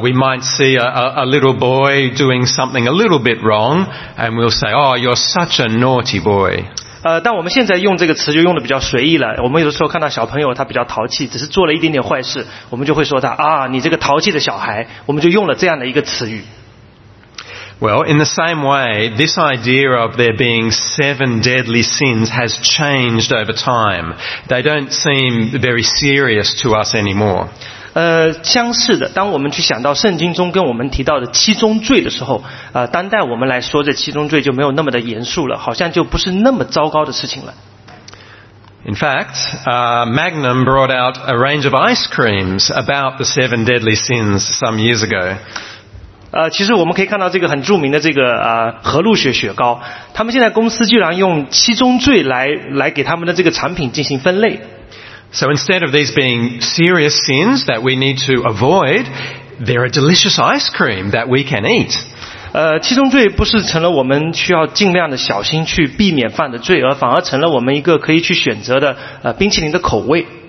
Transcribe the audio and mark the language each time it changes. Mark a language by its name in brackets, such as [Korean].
[English] We might see a little boy doing something a little bit wrong, and we'll say, "Oh, you're such a naughty boy." [Chinese] 但我们现在用这个词就用的比较随意了，我们有的时候看到小朋友他比较淘气，只是做了一点点坏事，我们就会说他啊，你这个淘气的小孩，我们就用了这样的一个词语。 [English] Well, in the same way, this idea of there being seven deadly sins has changed over time. They don't seem very serious to us anymore. [Chinese] 相似的，当我们去想到圣经中跟我们提到的七宗罪的时候，当代我们来说这七宗罪就没有那么的严肃了，好像就不是那么糟糕的事情了。 [English] In fact, Magnum brought out a range of ice creams about the seven deadly sins some years ago. [Chinese] 其实我们可以看到这个很著名的这个和露雪雪糕，他们现在公司居然用七宗罪来给他们的这个产品进行分类。 [English] So instead of these being serious sins that we need to avoid, they're a delicious ice cream that we can eat. [Chinese] 七宗罪不是成了我们需要尽量的小心去避免犯的罪，而反而成了我们一个可以去选择的冰淇淋的口味。